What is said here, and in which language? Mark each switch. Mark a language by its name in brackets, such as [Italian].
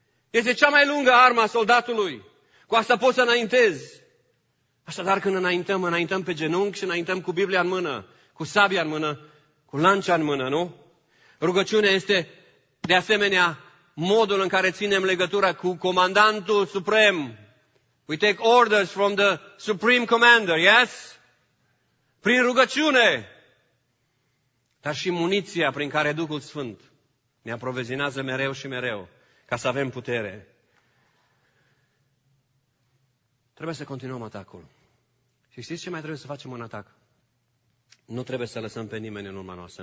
[Romanian] Este cea mai lungă armă a soldatului. Cu asta poți să înaintezi. Așadar, când înaintăm, înaintăm pe genunchi și înaintăm cu Biblia în mână, cu sabia în mână, cu lancea în mână, nu? Rugăciunea este, de asemenea, modul în care ținem legătura cu comandantul suprem. [English] We take orders from the supreme commander, yes? [Romanian] Prin rugăciune. Dar și muniția prin care Duhul Sfânt ne aprovizionează mereu și mereu, ca să avem putere. Trebuie să continuăm atacul. Și știți ce mai trebuie să facem un atac? Nu trebuie să lăsăm pe nimeni în urma noastră.